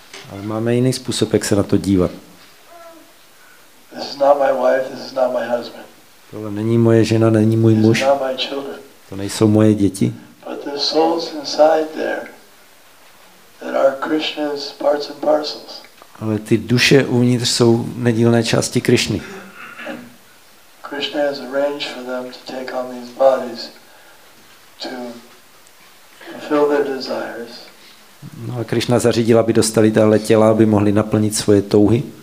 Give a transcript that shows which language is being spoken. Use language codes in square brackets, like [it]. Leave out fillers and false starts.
[cs] Ale máme jiný způsob, jak se na to dívat. [en] This is not my wife, this is not my husband. [cs] Tohle není moje žena, není můj muž. [en] This is not my children. [cs] To nejsou moje děti. [en] But the souls inside there that are Krishna's parts and parcels. [cs] Ale ty duše uvnitř jsou nedílné části Krišny. [en] Krishna has arranged for them to take on these bodies to fulfill their desires. [cs] No a Krishna zařídil, aby dostali tahle těla, aby mohli naplnit svoje touhy.